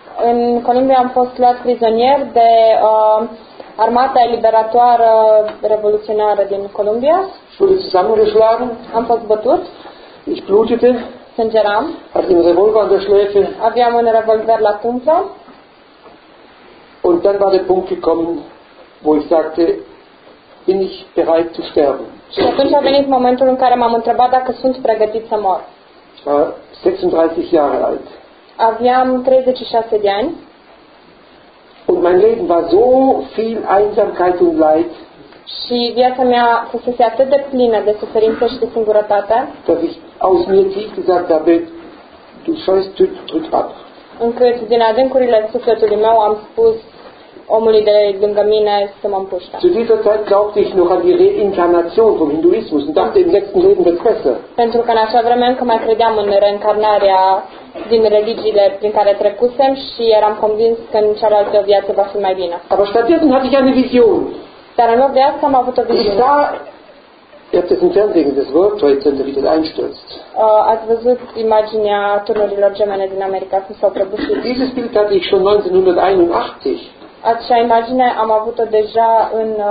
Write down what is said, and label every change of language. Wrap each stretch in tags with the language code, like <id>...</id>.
<ro>In Columbia am fost luat prizonier de Armata Liberatoare Revoluționară din Columbia.</ro> <de>Wurde zusammengeschlagen?</de> <ro>Am fost bătut.</ro> <de>Ich blutete.</de> <ro>Sângeram.</ro> <de>Hatte einen Revolver an der Schläfe.</de> <ro>Aveam un revolver la tâmplă.</ro> <de>Und dann war der Punkt gekommen, wo ich sagte, bin ich bereit zu sterben?</de> <ro>Și atunci a venit momentul în care m-am întrebat dacă sunt pregătit să mor.</ro> <de>Ich war 36 Jahre alt.</de> <ro>Aveam 36 de ani.</ro> <de>Und mein Leben war so viel Einsamkeit und Leid.</de> <ro>Și viața mea fusese atât de plină de suferință și de singurătate.</ro> <de>Dass ich aus mir tief gesagt habe, du scheißt, drück ab.</de> <ro>Încât din adâncurile sufletului meu am spus omului de lângă mine să mă împuște.</ro> <de>Zu dieser Zeit glaubte ich noch an die Reinkarnation vom Hinduismus und dachte im letzten Leben wird's besser.</de> <ro>Pentru că în acea vreme încă mai credeam în reîncarnarea din religiile prin care trecusem și eram convins că în cealaltă viață va fi mai bine.</ro> <de>Aber stattdessen hatte ich eine Vision.</de> <ro>Dar în loc de asta am avut o viziune. Ați văzut imaginea turnurilor gemene din America cum s-au prăbușit.</ro> <de>Dieses Bild hatte ich schon 1981.</de> <ro>Acea imagine am avut-o deja în</ro>